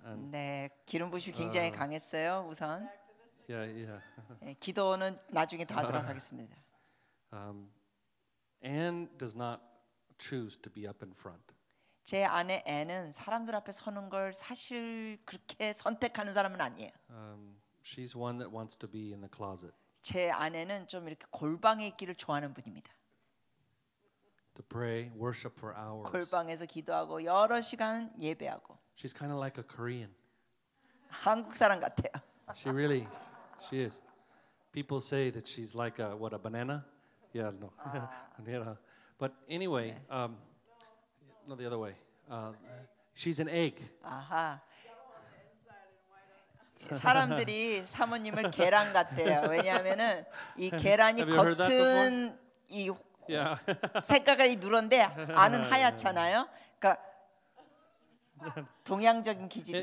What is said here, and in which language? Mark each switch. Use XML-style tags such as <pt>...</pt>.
<en>And</en> <ko>네, 기름 부으시 굉장히 강했어요. 우선.</ko> <en>Yeah, yeah.</en> <ko>예, 기도는 나중에 다 하도록 하겠습니다.</ko> <en>Anne does not choose to be up in front.</en> <ko>제 아내 앤은 사람들 앞에 서는 걸 사실 그렇게 선택하는 사람은 아니에요.</ko> <en>She's one that wants to be in the closet.</en> <ko>제 아내는 좀 이렇게 골방에 있기를 좋아하는 분입니다.</ko> <en>To pray, worship for hours.</en> <ko>골방에서 기도하고 여러 시간 예배하고.</ko> <en>She's kind of like a Korean.</en> <ko>한국 사람 같아요.</ko> <en>She really, she is. People say that she's like a what a banana. Yeah, no. Yeah. But anyway, no, the other way. She's an egg.</en> <ko>아하. 사람들이 사모님을 계란 같대요. 왜냐하면은 이 계란이 겉은 이 색깔이 누런데 안은 하얗잖아요. 그러니까 동양적인 기질.</ko>